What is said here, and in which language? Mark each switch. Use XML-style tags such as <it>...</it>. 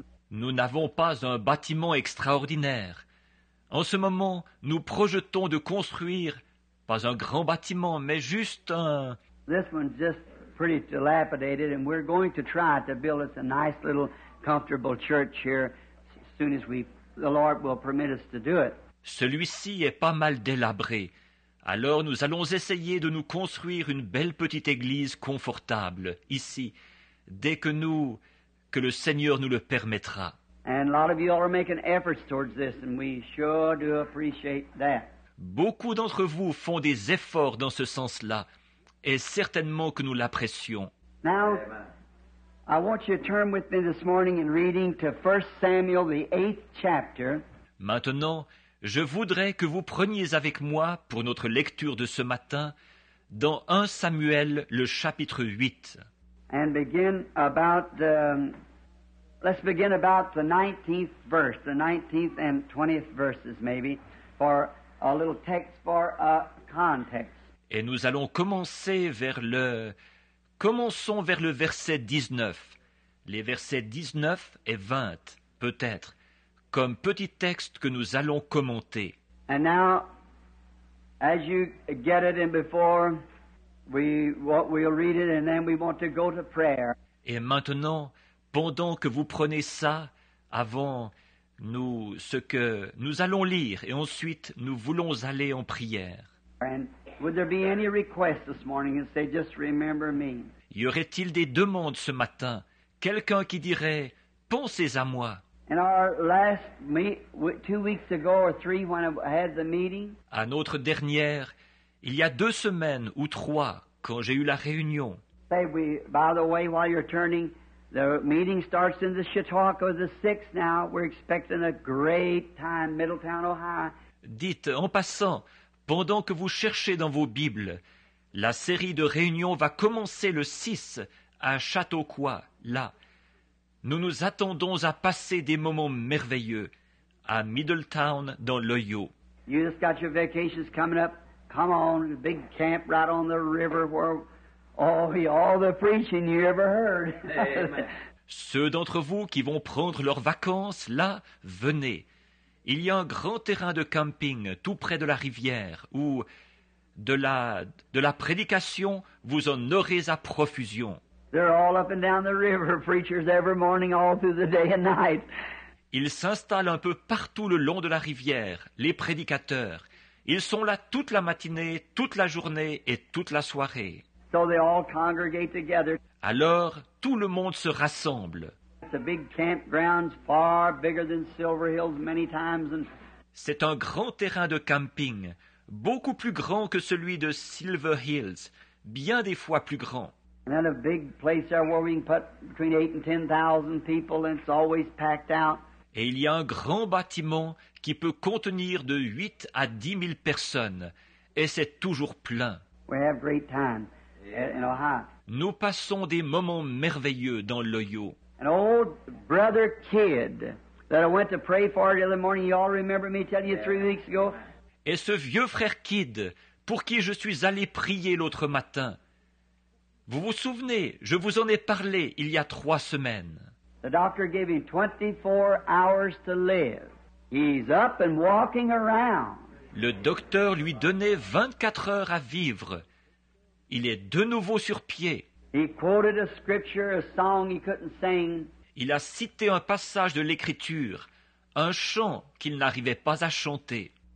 <fr>Nous n'avons pas un bâtiment extraordinaire. En ce moment, nous projetons de construire pas un grand bâtiment, mais juste un...</fr> <en>This one's just pretty dilapidated, and we're going to try to build us a nice little comfortable church here as soon as the Lord will permit us to do it.</en> <fr>Celui-ci est pas mal délabré. Alors nous allons essayer de nous construire une belle petite église confortable ici, dès que nous... que le Seigneur nous le permettra.</fr> <en>And a lot of you all are making efforts towards this, and we sure do appreciate that.</en> <fr>Beaucoup d'entre vous font des efforts dans ce sens-là, et certainement que nous l'apprécions.</fr> <en>Now, I want you to turn with me this morning in reading to 1 Samuel, the 8th chapter.</en> <fr>Maintenant, je voudrais que vous preniez avec moi, pour notre lecture de ce matin, dans 1 Samuel, le chapitre 8.</fr> <en>And begin about the, let's begin about the 19th verse, the 19th and 20th verses maybe, for a little text for a context.</en> <fr>Et nous allons commencer vers le... Commençons vers le verset 19. Les versets 19 et 20, peut-être, comme petit texte que nous allons commenter.</fr> <en>And now, as you get it in before, we'll read it and then we want to go to prayer.</en> <fr>Et maintenant, pendant que vous prenez ça, avant... Nous, ce que nous allons lire, et ensuite nous voulons aller en prière.</fr> <en>And would there be any requests this morning and say, just remember me?</en> <fr>Y aurait-il des demandes ce matin? Quelqu'un qui dirait, pensez à moi.</fr> <en>In our last meet, 2 weeks ago or three, when I had the meeting.</en> <fr>À notre dernière, il y a 2 semaines ou 3, quand j'ai eu la réunion.</fr> <en>Say, we, by the way, while you're turning. The meeting starts in the Chautauqua the 6th now. We're expecting a great time, Middletown, Ohio.</en> <fr>Dites, en passant, pendant que vous cherchez dans vos Bibles, la série de réunions va commencer le 6 à Chautauqua, là. Nous nous attendons à passer des moments merveilleux à Middletown, dans l'Ohio.</fr> <en>You just got your vacations coming up. Come on, big camp right on the river where... Oh, all the preaching you ever heard.</en> <fr>Ceux d'entre vous qui vont prendre leurs vacances, là, venez. Il y a un grand terrain de camping tout près de la rivière où de la prédication, vous en aurez à profusion.</fr> <en>They're all up and down the river, preachers, every morning, all through the day and night.</en> <fr>Ils s'installent un peu partout le long de la rivière, les prédicateurs. Ils sont là toute la matinée, toute la journée et toute la soirée.</fr> <en>So they all congregate together.</en> <fr>Alors, tout le monde se rassemble.</fr> <en>It's a big campground, far bigger than Silver Hills many times. And...</en> <fr>C'est un grand terrain de camping, beaucoup plus grand que celui de Silver Hills, bien des fois plus grand.</fr> <en>And then a big place there where we can put between 8,000 and 10,000 people, and it's always packed out.</en> <fr>Et il y a un grand bâtiment qui peut contenir de 8 à 10 000 personnes, et c'est toujours plein.</fr> <en>We have great time. In Ohio.</en> <fr>Nous passons des moments merveilleux dans l'Ohio.</fr> <en>An old brother kid that I went to pray for the other morning, you all remember me telling you 3 weeks ago?</en> <fr>Et ce vieux frère kid pour qui je suis allé prier l'autre matin. Vous vous souvenez, je vous en ai parlé il y a 3 semaines.</fr> <en>The doctor gave him 24 hours to live. He's up and walking around.</en> <fr>Le docteur lui donnait 24 heures à vivre. Il est de nouveau sur pied.</fr> <en>He quoted a scripture, a song he couldn't sing.</en> <fr>Il a cité un passage de l'Écriture, un chant qu'il n'arrivait pas à chanter.</fr>